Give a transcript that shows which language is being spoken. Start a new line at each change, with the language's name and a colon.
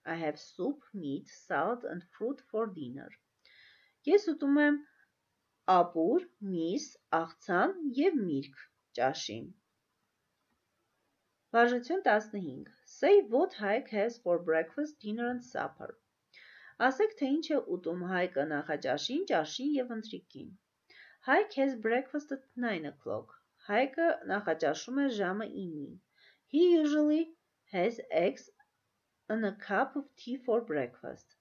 English: I have soup, meat, salad and fruit for dinner.
Armenian: Ես ուտում եմ ապուր, միս, աղցան և միրգ ճաշին. Վարժություն 15.
English: Say what Hayk has for breakfast, dinner and supper.
Armenian: Ասեք, թե ինչ է ուտում Hayk-ը նախաճաշին, ճաշին և ընթրիկին.
English: Hayk has breakfast at 9 o'clock.
Armenian: Hayk-ը նախաճաշում է ժամը 9-ին.
English: He usually has eggs and a cup of tea for breakfast.